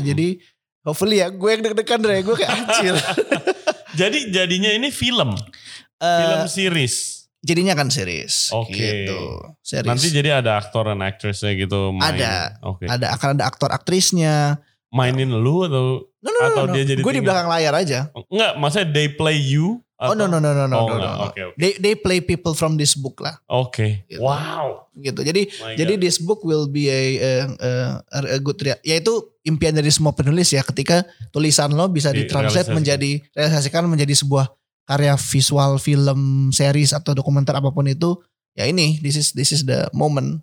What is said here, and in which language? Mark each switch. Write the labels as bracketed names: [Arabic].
[Indonesian] Jadi hopefully ya, gue yang deg-degan deh, gue kayak acil. Jadi jadinya ini film? Film series? Jadinya kan series. Oke. Okay. Gitu. Nanti jadi ada aktor dan aktrisnya gitu main? Ada. Okay. Ada, akan ada aktor-aktrisnya. Mainin lu atau? [English] No. [Indonesian] Dia jadi gue di belakang layar aja. Enggak, maksudnya [English] they play you? Atau? No. Okay, okay. They play people from this book lah. Oke. Okay. [Indonesian] Gitu. Wow. Gitu. Jadi [English] this book will be a good [Indonesian] yaitu impian dari semua penulis ya, ketika tulisan lo bisa ditranslate menjadi realisasikan menjadi sebuah karya visual, film, series atau dokumenter apapun itu. Ya ini [English] this is the moment.